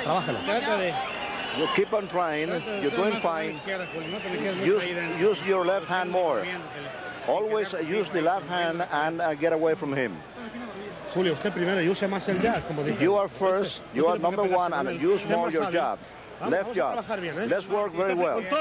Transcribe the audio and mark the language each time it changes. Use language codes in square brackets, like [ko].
[en] You keep on trying. You're doing fine. Use your left hand more. Always use the left hand and get away from him. [es] Julio, usted primero, use más el jab, como dice. [en] You are first, you are number one, and use more your jab. Left jab. Let's work very well.